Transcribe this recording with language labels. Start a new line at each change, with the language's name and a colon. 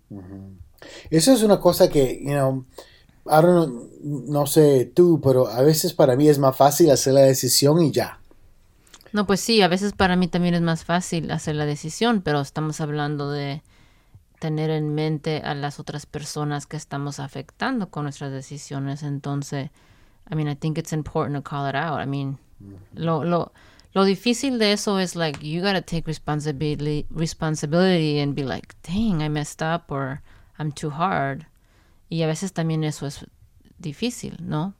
Spanish: Mm-hmm. Eso es una cosa que,
English: you know,
Spanish: no sé tú, pero a veces para mí es más fácil hacer la decisión y ya. No, pues sí, a veces para mí también es más fácil hacer la decisión, pero estamos hablando de tener en mente a las otras personas que estamos afectando con nuestras decisiones.
English: Entonces, I mean, I think it's important to call it out. I mean,
Spanish: lo difícil de eso es,
English: like, you gotta take responsibility and be like, dang, I messed up or I'm too hard.
Spanish: Y a veces también eso es difícil, ¿no?